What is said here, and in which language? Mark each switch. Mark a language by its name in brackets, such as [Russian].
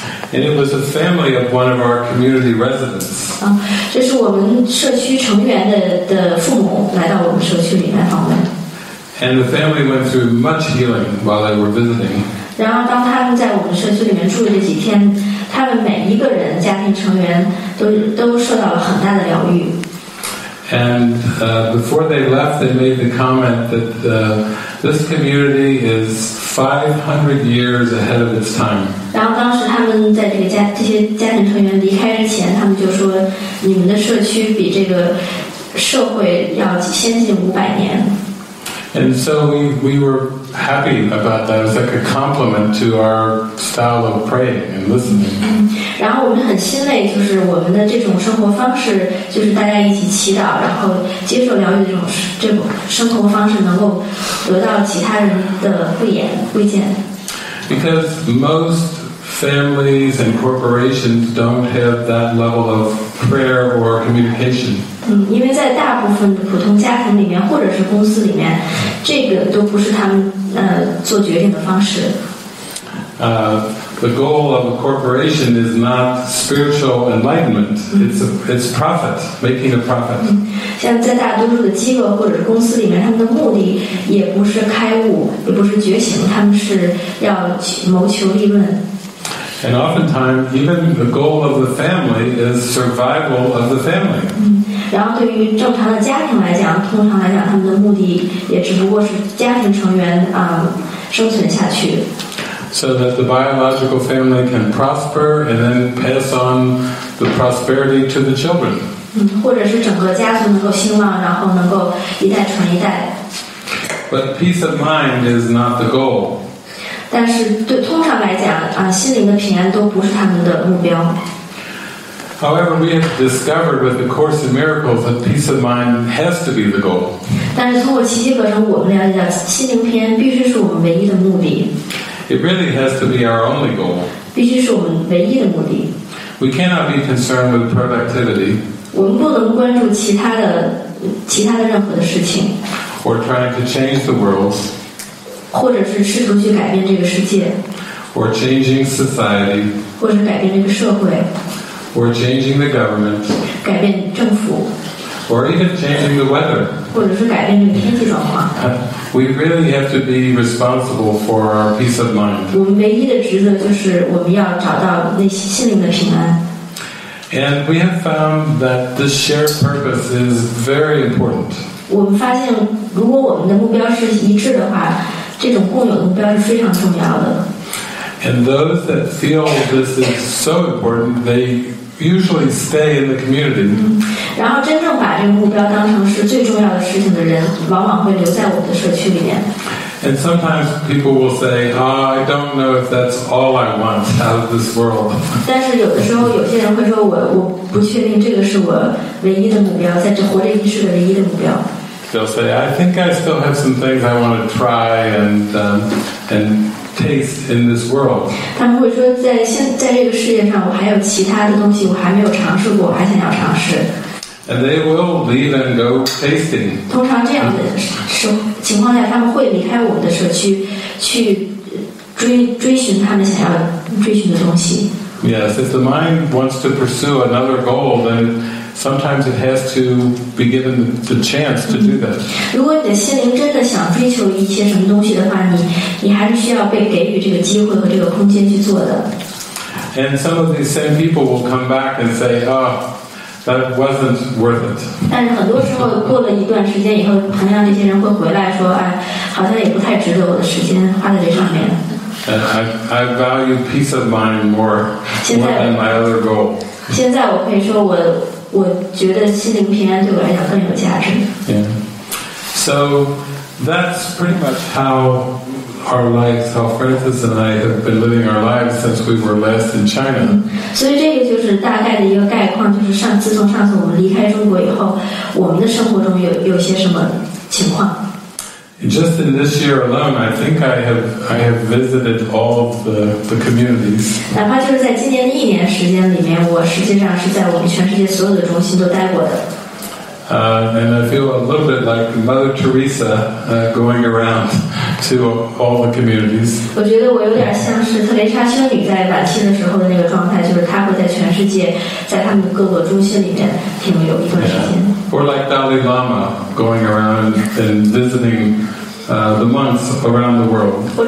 [English] And it was a family of one of our community residents. [Chinese] 这是我们社区成员的父母来到我们社区里面访问。 [English] And the family went through much healing while they were visiting. [Chinese] 然后当他们在我们社区里面住了这几天，他们每一个人家庭成员都受到了很大的疗愈。 [English] And before they left, they made the comment that this community is 500 years ahead of its time. [Chinese] 然后当时他们在这些家庭成员离开之前，他们就说你们的社区比这个社会要先进500年。 [English] And so we were happy about that. It was like a compliment to our style of praying and listening. [Chinese] 然后我们很欣慰，就是我们的这种生活方式，就是大家一起祈祷，然后接受疗愈的这种生活方式，能够得到其他人的慰藉。 [English] Because most families and corporations don't have that level of prayer or communication. [Chinese] 因为在大部分普通家庭里面，或者是公司里面，这个都不是他们做决定的方式。 [English] The goal of a corporation is not spiritual enlightenment. It's profit, making a profit. [Chinese] 像在大多数的机构或者是公司里面，他们的目的也不是开悟，也不是觉醒，他们是要谋求利润。 [English] And oftentimes, even the goal of the family is survival of the family. [Chinese] 然后对于正常的家庭来讲，通常来讲，他们的目的也只不过是家庭成员生存下去。 [English] So that the biological family can prosper and then pass on the prosperity to the children. [Chinese] 或者是整个家族能够兴旺，然后能够一代传一代。 [English] But peace of mind is not the goal. [Chinese] 但是对通常来讲，心灵的平安都不是他们的目标。 [English] However, we have discovered with the Course in Miracles that peace of mind has to be the goal. [Chinese] 但是通过奇迹课程，我们了解到，心灵平安必须是我们唯一的目的。 [English] It really has to be our only goal. [Chinese] 必须是我们唯一的目的。 [English] We cannot be concerned with productivity. [Chinese] 我们不能关注其他的任何的事情。 [English] Or trying to change the world. [Chinese] 或者是试图去改变这个世界。 [English] Or changing society. [Chinese] 或者改变这个社会。 [English] Or changing the government. [Chinese] 改变政府。 [English] Or even changing the weather. [Chinese] 或者是改变这个天气状况。 [English] We really have to be responsible for our peace of mind. [Chinese] 我们唯一的职责就是我们要找到内心灵的平安。 [English] And we have found that this shared purpose is very important. [Chinese] 我们发现，如果我们的目标是一致的话，这种共有的目标是非常重要的。 [English] And those that feel this is so important, they usually stay in the community. [Chinese] 然后真正把这个目标当成是最重要的事情的人，往往会留在我们的社区里面。 [English] And sometimes people will say, "Oh, I don't know if that's all I want out of this world." [Chinese] 但是有的时候，有些人会说我不确定这个是我唯一的目标，在这活着一世的唯一的目标。 [English] They'll say, "I think I still have some things I want to try and taste in this world." [Chinese] 他们会说，在这个世界上，我还有其他的东西我还没有尝试过，我还想要尝试。 [English] And they will leave and go tasting. [Chinese] 通常这样的情况下，他们会离开我们的社区，去追寻他们想要追寻的东西。 [English] Yes, if the mind wants to pursue another goal, then sometimes it has to be given the chance to do that. [Chinese] 如果你的心灵真的想追求一些什么东西的话，你还是需要被给予这个机会和这个空间去做的。 [English] And some of these same people will come back and say, "Oh, that wasn't worth it." [Chinese] 但是很多时候，过了一段时间以后，同样这些人会回来说，哎，好像也不太值得我的时间花在这上面。 [English] And I value peace of mind more than my other goal. [Chinese] 现在我可以说我觉得心灵平安对我来讲更有价值。 [English] Yeah. So that's pretty much how our lives, how Francis and I have been living our lives since we were last in China. [Chinese] 所以这个就是大概的一个概况，就是自从上次我们离开中国以后，我们的生活中有些什么情况。 [English] Just in this year alone, I think I have visited all of the communities. [Chinese] 哪怕就是在今年的一年时间里面，我实际上是在我们全世界所有的中心都待过的。 [English] And I feel a little bit like Mother Teresa going around to all the communities. [Chinese] 我觉得我有点像是特蕾莎修女在晚期的时候的那个状态，就是她会在全世界，在他们各个中心里面停留一段时间。 [English] Or like Dalai Lama going around and visiting the monks around the world.